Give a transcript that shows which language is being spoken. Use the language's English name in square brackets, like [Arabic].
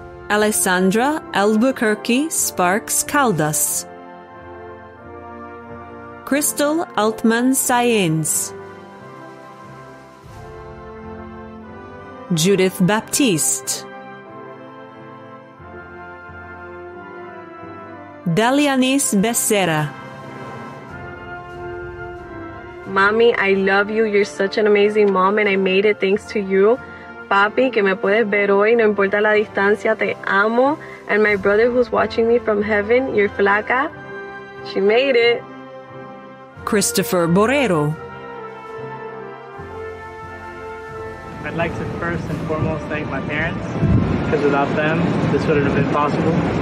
[English] Alessandra Albuquerque Sparks Caldas, Crystal Altman Saenz, Judith Baptiste, Dalianis Becerra. Mommy, I love you. You're such an amazing mom, and I made it thanks to you. [Spanish] Papi, que me puedes ver hoy, no importa la distancia, te amo. [English] And my brother who's watching me from heaven, your flaca, she made it. Christopher Borrero. I'd like to first and foremost thank my parents, because without them, this wouldn't have been possible.